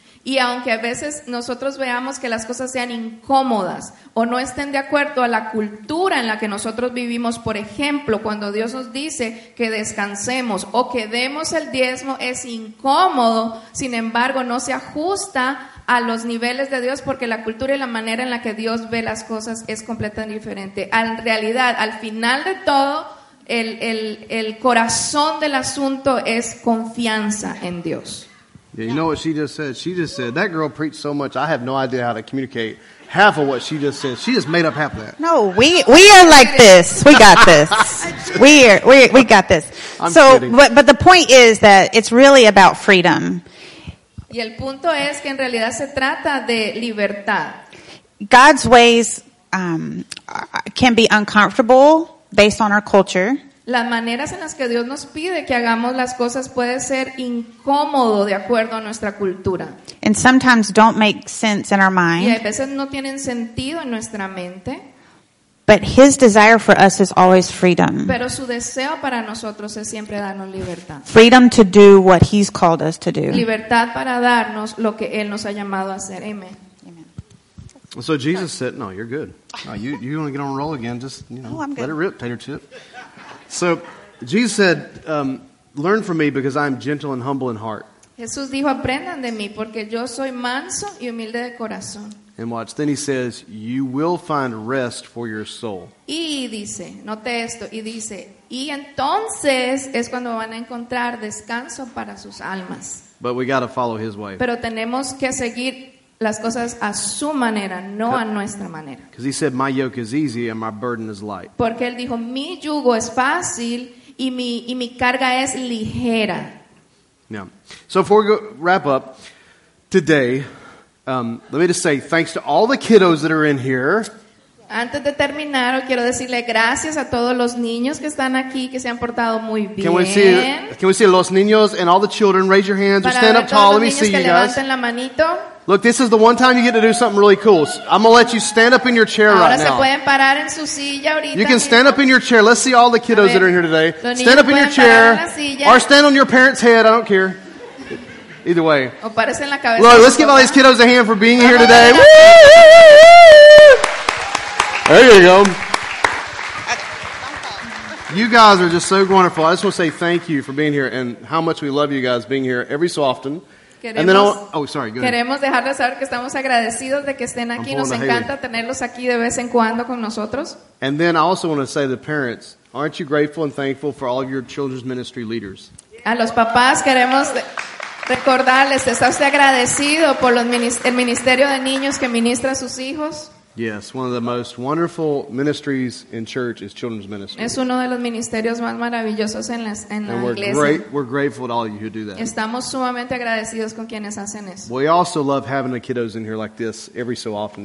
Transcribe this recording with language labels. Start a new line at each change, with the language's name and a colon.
Spanish: Y aunque a veces nosotros veamos que las cosas sean incómodas o no estén de acuerdo a la cultura en la que nosotros vivimos, por ejemplo, cuando Dios nos dice que descansemos o que demos el diezmo, es incómodo, sin embargo, no se ajusta a los niveles de Dios porque la cultura y la manera en la que Dios ve las cosas es completamente diferente. En realidad, al final de todo, el corazón del asunto es confianza en Dios.
English: Yeah, you know what she just said? She just said, that girl preached so much, I have no idea how to communicate half of what she just said. She just made up half of that. No, we are like this. We got this. We got this. I'm kidding. But the point is that it's really about freedom.
Spanish: Y el punto es que en realidad se trata de libertad.
English: God's ways can be uncomfortable based on our culture.
Spanish: Las maneras en las que Dios nos pide que hagamos las cosas puede ser incómodo de acuerdo a nuestra cultura.
English: And sometimes don't make sense in our mind.
Spanish: Y a veces no tienen sentido en nuestra mente.
English: But his desire for us is always freedom.
Spanish: Pero su deseo para nosotros es siempre darnos libertad.
English: Freedom to do what he's called us to do.
Spanish: Libertad para darnos lo que él nos ha llamado a hacer.
English: Amen. So Jesus said, no, you're good. You want to get on a roll again, just let it rip, tater tip. So Jesus said, learn from me because I am gentle and humble in heart.
Spanish: Jesús dijo, aprendan de mí porque yo soy manso y humilde de corazón.
English: And watch, then he says, you will find rest for your soul.
Spanish: Y dice, note esto, y dice, y entonces es cuando van a encontrar descanso para sus almas.
English: But we got to follow his way.
Spanish: Pero tenemos que seguir las cosas a su manera, no a nuestra manera.
English: Because he said, my yoke is easy and my burden is light.
Spanish: Porque él dijo, mi yugo es fácil y mi carga es ligera.
English: Yeah. So before we wrap up today, let me just say thanks to all the kiddos that are in here.
Spanish: Antes de terminar, quiero decirle gracias a todos los niños que están aquí, que se han portado muy bien.
English: Can we see
Spanish: los niños
English: and all the children? Raise your hands
Spanish: para
English: or stand up tall. Let me see you guys.
Spanish: Levanten la manito.
English: Look, this is the one time you get to do something really cool. So I'm going to let you stand up in your chair
Spanish: ahora
English: right
Spanish: se
English: now.
Spanish: Pueden parar en su silla ahorita,
English: you can stand up in your chair. Let's see all the kiddos that are in here today. Stand up in your chair or stand on your parents' head. I don't care. Either way.
Spanish: O párese en la cabeza.
English: Look, let's give all these kiddos a hand for being here today. Woo! There you go. You guys are just so wonderful. I just want to say thank you for being here and how much we love you guys being here every so often.
Spanish: Queremos dejarles saber que estamos agradecidos de que estén aquí. Nos encanta tenerlos aquí de vez en cuando con nosotros.
English: And then I also want to say to the parents, aren't you grateful and thankful for all of your children's ministry leaders?
Spanish: A los papás queremos recordarles, ¿está usted agradecido por el ministerio de niños que ministra a sus hijos?
English: Yes, one of the most wonderful ministries in church is children's ministry.
Spanish: Es uno de los ministerios más maravillosos en la iglesia.
English: We're grateful to all of you who do that.
Spanish: Estamos sumamente agradecidos con quienes hacen eso.
English: We also love having the kiddos in here like this every so often.